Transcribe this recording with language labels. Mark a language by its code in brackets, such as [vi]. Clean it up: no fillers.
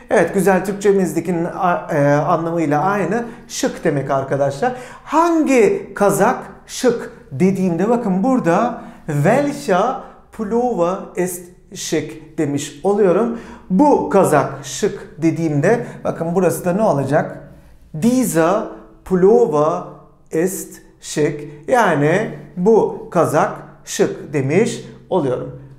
[tr] Evet, güzel Türkçemizdekinin anlamıyla aynı, şık demek arkadaşlar. Hangi kazak şık dediğimde bakın burada [de] welcher Pullover ist schick [tr] demiş oluyorum. Bu kazak şık dediğimde bakın burası da ne olacak? [de] Dieser Pullover ist schick. [tr] Yani bu kazak şık demiş oluyorum.